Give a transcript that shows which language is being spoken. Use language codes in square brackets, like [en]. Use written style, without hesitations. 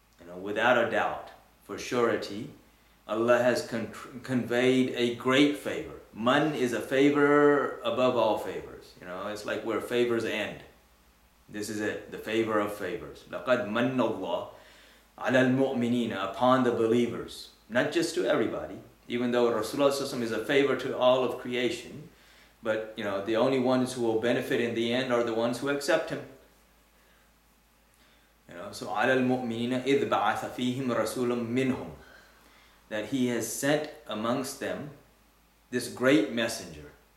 [en] You know, without a doubt, for surety, Allah has conveyed a great favor. Man is a favor above all favors. You know, it's like where favors end. This is it, the favor of favors. [ar] لَقَدْ مَنَّ اللَّهُ عَلَى الْمُؤْمِنِينَ, [en] upon the believers. Not just to everybody, even though Rasulullah is a favor to all of creation, but, you know, the only ones who will benefit in the end are the ones who accept him. You know, so [ar] عَلَى الْمُؤْمِنِينَ إِذْ بَعَثَ فِيهِمْ رَسُولٌ مِّنْهُمْ, [en] that he has sent amongst them this great messenger.